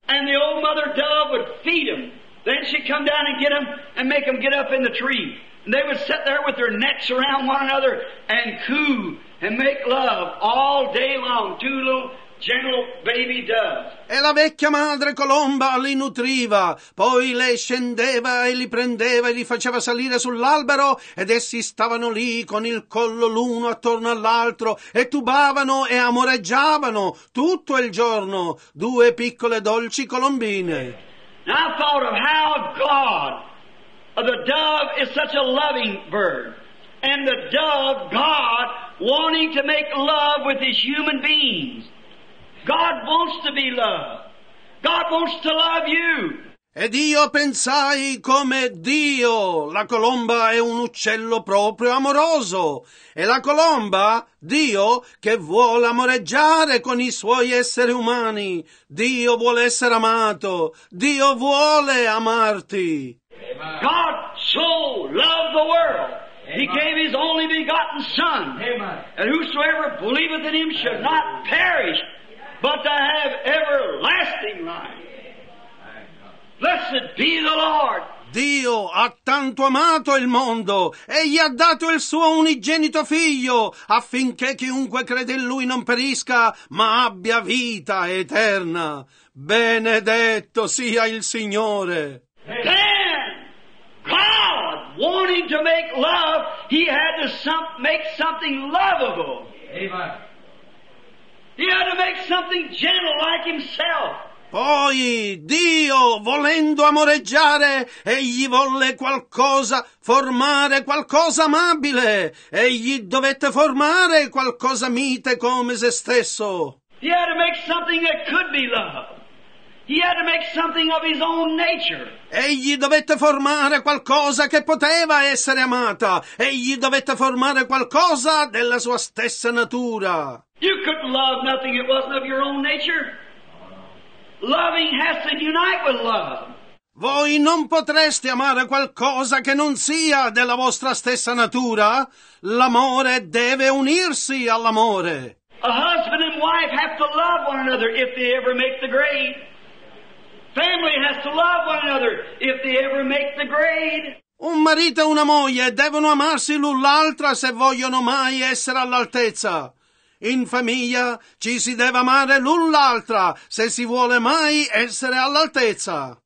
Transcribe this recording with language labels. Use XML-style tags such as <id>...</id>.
<en>And the old mother dove would feed them. Then she'd come down and get them and make them get up in the tree. And they would sit there with their necks around one another and coo and make love all day long. Two little baby</en> <it>e la vecchia madre colomba li nutriva, poi lei scendeva e li prendeva e li faceva salire sull'albero ed essi stavano lì con il collo l'uno attorno all'altro e tubavano e amoreggiavano tutto il giorno, due piccole dolci colombine.</it> <en>Now I thought of how God, the dove is such a loving bird, and the dove, God, wanting to make love with his human beings. God wants to be loved. God wants to love you.</en> <it>Ed io pensai come Dio, la colomba è un uccello proprio amoroso. E la colomba, Dio, che vuole amoreggiare con i suoi esseri umani. Dio vuole essere amato. Dio vuole amarti.</it> <en>Amen. God so loved the world. Amen. He gave his only begotten son. Amen. And whosoever believeth in him should Amen. Not perish. But to have everlasting life. Blessed be the Lord.</en> <it>Dio ha tanto amato il mondo e gli ha dato il suo unigenito figlio affinché chiunque crede in lui non perisca ma abbia vita eterna. Benedetto sia il Signore.</it> <en>Then, God wanting to make love, he had to make something lovable. Amen. He had to make something gentle like himself.</en> <it>Poi Dio, volendo amoreggiare, egli volle qualcosa, formare qualcosa amabile. Egli dovette formare qualcosa mite come se stesso.</it> <en>He had to make something that could be loved. He had to make something of his own nature.</en> <it>Egli dovette formare qualcosa che poteva essere amata. Egli dovette formare qualcosa della sua stessa natura.</it> <en>You couldn't love nothing that wasn't of your own nature. Loving has to unite with love.</en> <it>Voi non potreste amare qualcosa che non sia della vostra stessa natura. L'amore deve unirsi all'amore.</it> <en>A husband and wife have to love one another if they ever make the grade. Family has to love one another if they ever make the grade.</en> <it>Un marito e una moglie devono amarsi l'un l'altra se vogliono mai essere all'altezza. In famiglia ci si deve amare l'un l'altra se si vuole mai essere all'altezza.</it>